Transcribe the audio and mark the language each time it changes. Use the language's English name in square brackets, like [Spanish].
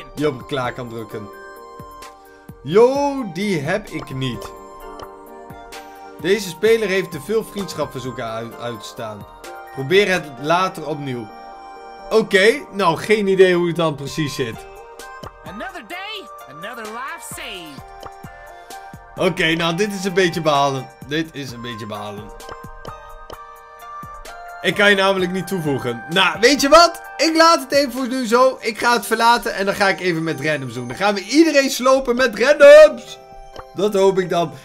[Dutch] Die op klaar kan drukken. Yo, die heb ik niet. Deze speler heeft te veel vriendschapverzoeken uitstaan. Probeer het later opnieuw. Oké, nou geen idee hoe het dan precies zit. [English] Another day, another life saved. [Dutch] Oké, nou dit is een beetje balen. Ik kan je namelijk niet toevoegen. Nou, weet je wat? Ik laat het even voor nu zo. Ik ga het verlaten en dan ga ik even met randoms doen. Dan gaan we iedereen slopen met randoms. Dat hoop ik dan.